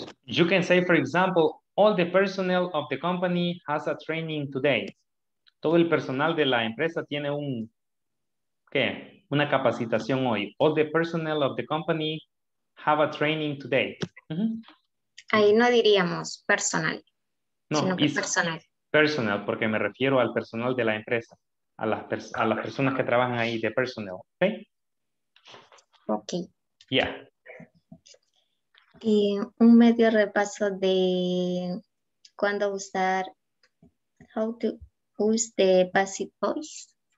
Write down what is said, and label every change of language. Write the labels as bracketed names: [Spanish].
[English] You can say, for example, all the personnel of the company has a training today. [Spanish] Todo el personal de la empresa tiene un, ¿qué? Una capacitación hoy. [English] All the personnel of the company have a training today. Uh-huh. [Spanish] Ahí no diríamos personal, no, sino que personal. Personal, porque me refiero al personal de la empresa, a las personas que trabajan ahí de personal, ¿ok? [English] Ok. Yeah. [Spanish] Y un medio repaso de cuándo usar, [English] how to use the passive voice.